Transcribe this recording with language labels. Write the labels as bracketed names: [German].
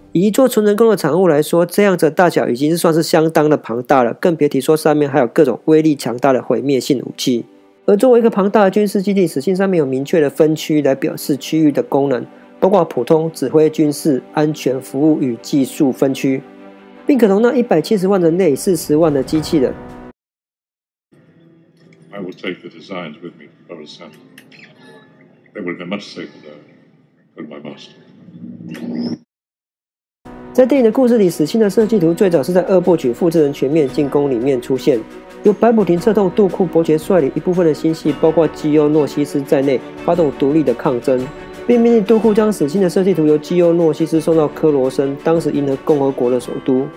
[Chinese] 以一座纯人工的产物来说，这样子的大小已经是算是相当的庞大了，更别提说上面还有各种威力强大的毁灭性武器。而作为一个庞大的军事基地，死星上面有明确的分区来表示区域的功能，包括普通、指挥、军事、安全、服务与技术分区，并可容纳170万人类、40万的机器人。 [English] I will take the designs with me to Paris Center. They will be much safer there than my master. [Chinese] 在电影的故事里，死星的设计图最早是在二部曲《复制人全面进攻》里面出现。由白普廷策动杜库伯爵率领一部分的星系，包括基欧诺西斯在内，发动独立的抗争，并命令杜库将死星的设计图由基欧诺西斯送到科罗森，当时银河共和国的首都。